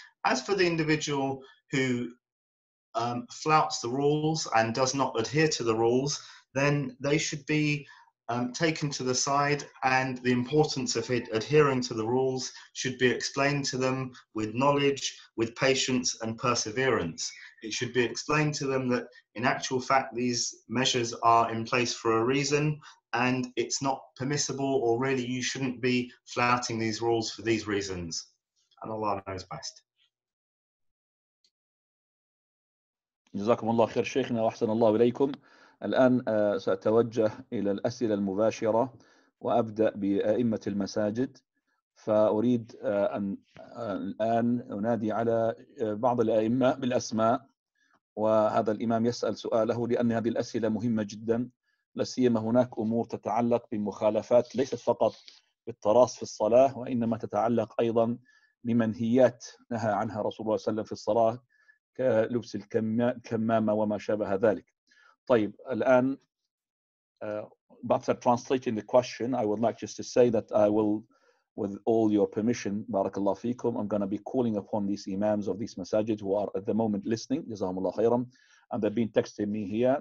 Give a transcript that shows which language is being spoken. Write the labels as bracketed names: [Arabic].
[English] As for the individual who flouts the rules and does not adhere to the rules, then they should be taken to the side, and the importance of it adhering to the rules should be explained to them with knowledge, with patience and perseverance. It should be explained to them that in actual fact these measures are in place for a reason, and it's not permissible, or really you shouldn't be flouting these rules for these reasons. And Allah knows best. [Arabic] جزاكم الله خير شيخنا وأحسن الله إليكم. الآن سأتوجه إلى الأسئلة المباشرة وأبدأ بأئمة المساجد. فأريد أن الآن أنادي على بعض الأئمة بالأسماء، وهذا الإمام يسأل سؤاله لأن هذه الأسئلة مهمة جدا، لسيما هناك أمور تتعلق بمخالفات ليست فقط بالتراص في الصلاة، وإنما تتعلق أيضا بمنهيات نهى عنها رسول الله صلى الله عليه وسلم في الصلاة، كلبس الكمامة وما شابه ذلك. طيب الآن [English] after translating the question, I would like just to say that I will, with all your permission, barakallahu feekum, I'm going to be calling upon these imams of these masajid who are at the moment listening, jazahumullah khairan, and they've been texting me here.